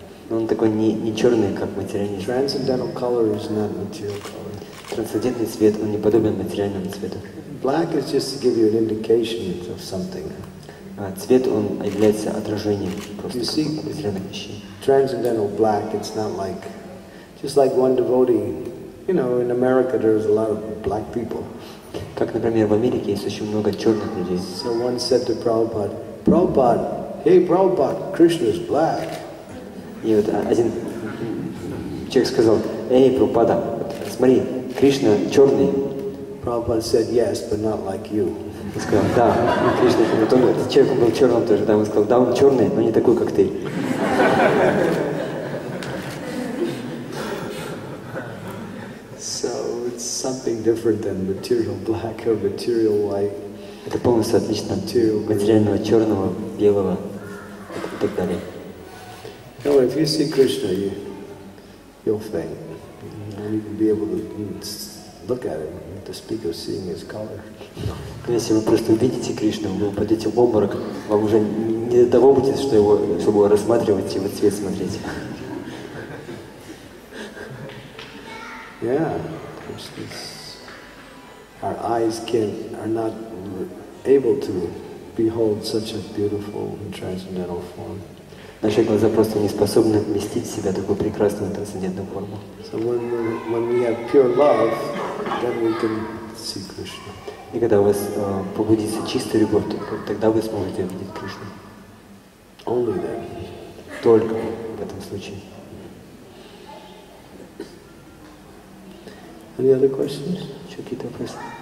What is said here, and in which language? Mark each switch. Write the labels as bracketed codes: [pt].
[ru] Он такой не черный, как материальный. [en] Transcendental color is not material color. [ru] Трансцендентный цвет, он не подобен материальному цвету. [en] Black is just to give you an indication of something. [ru] Цвет, он является отражением просто определенных вещей. [en] Transcendental black, it's not like, just like one devotee, you know, in America there's a lot of black people. [ru] Как, например, в Америке есть очень много черных людей. [en] So one said to Prabhupada, Prabhupada, hey Prabhupada, Krishna's black. [ru] И вот один человек сказал, эй, Прабхупада, смотри, Кришна черный. [en] Prabhupada said yes, but not like you. [ru] Он сказал, да, Кришна, но тот человек был черным тоже, да, он сказал, да, он черный, но не такой, как ты. [en] So it's something different than material black or material white. [ru] Это полностью отлично от материального черного, белого и так далее. [en] No, if you see Krishna, you'll faint. You won't even be able to look at him, to speak of seeing his color. [ru] Если вы просто увидите Кришну, вы упадете в обморок, вам уже не до того будет, что его, чтобы его рассматривать, его цвет смотреть. [en] Yeah, Krishna. Our eyes are not able to behold such a beautiful and transcendental form. [ru] Наши глаза просто не способны вместить в себя такую прекрасную трансцендентную форму. [en] So when we have pure love, then we can see Krishna. [ru] И когда у вас пробудится чистая любовь, тогда вы сможете увидеть Кришну. [en] Only then. [ru] Только в этом случае. [en] Any other questions? [ru] Еще какие-то вопросы?